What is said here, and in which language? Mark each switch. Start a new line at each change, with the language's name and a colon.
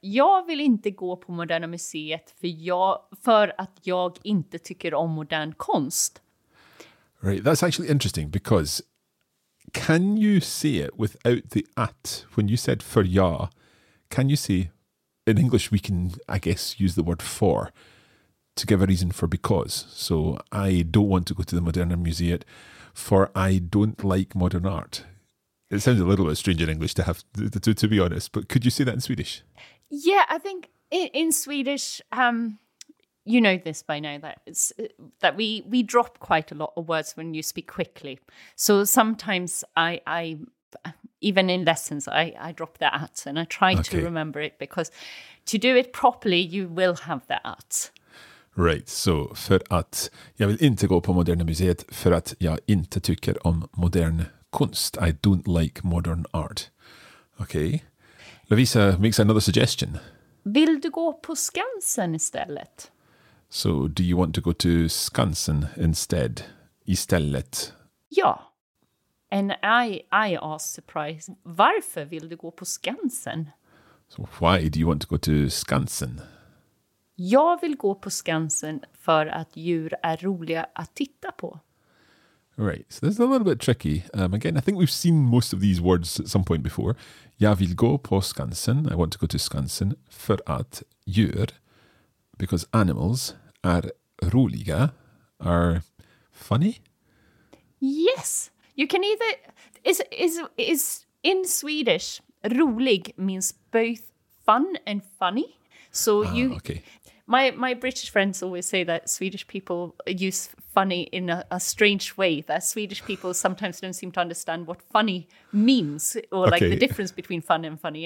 Swedish: Jag vill inte gå på Moderna Museet för att jag inte tycker om modern konst.
English: Right, that's actually interesting because can you say it without the at? When you said
Swedish: för jag,
English: can you say, in English we can, I guess, use the word for to give a reason for because. So I don't want to go to the Moderna Museet for I don't like modern art. It sounds a little bit strange in English to be honest, but could you say that in Swedish? Yeah, I think in Swedish, you know this by now, that we drop quite a lot of words when you speak quickly. So sometimes I even in lessons, I drop the at and I try to remember it because to do it properly, you will have the at. Right, so
Swedish: för att jag vill inte gå på Moderna Museet för att jag inte tycker om modern kunst.
English: I don't like modern art. Okay. Lovisa makes another suggestion.
Swedish: Vill du gå på Skansen istället?
English: So do you want to go to Skansen instead?
Swedish: Istället? Ja.
English: And I ask surprise,
Swedish: varför vill du gå på Skansen?
English: So why do you want to go to Skansen?
Swedish: Jag vill gå på Skansen för att djur är roliga att titta på.
English: Right, so this is a little bit tricky. Again, I think we've seen most of these words at some point before.
Swedish: Jag vill gå på Skansen,
English: I want to go to Skansen,
Swedish: för att djur,
English: because animals
Swedish: är roliga,
English: are funny? Yes, you can either, is in Swedish, rolig means both fun and funny. So my British friends always say that Swedish people use funny in a strange way, that Swedish people sometimes don't seem to understand what funny means or like the difference between fun and funny.